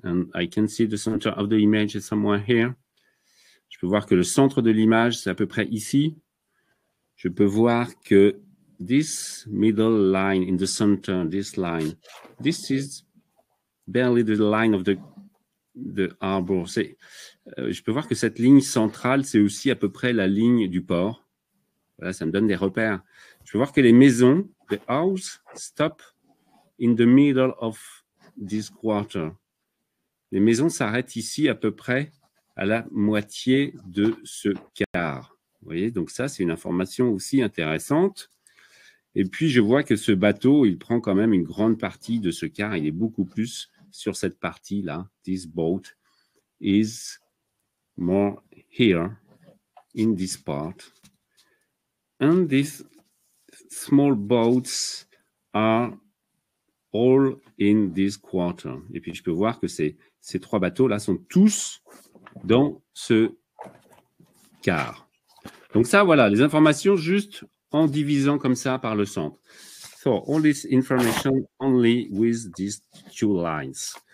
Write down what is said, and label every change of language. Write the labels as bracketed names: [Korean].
[English] And I can see the center of the image is somewhere here. [French] Je peux voir que le centre de l'image, c'est à peu près ici. Je peux voir que [English] this middle line in the center, this line, this is barely the line of the arbor. [French] Je peux voir que cette ligne centrale, c'est aussi à peu près la ligne du port. Voilà, ça me donne des repères. Je peux voir que les maisons, [English] the house stop in the middle of this quarter. [French] Les maisons s'arrêtent ici à peu près à la moitié de ce quart. Vous voyez, donc ça, c'est une information aussi intéressante. Et puis, je vois que ce bateau, il prend quand même une grande partie de ce quart. Il est beaucoup plus sur cette partie-là. [English] This boat is more here in this part. And this small boats are all in this quarter. [French] Et puis, je peux voir que ces trois bateaux-là sont tous dans ce quart. Donc ça, voilà, les informations juste en divisant comme ça par le centre. [English] So, all this information only with these two lines.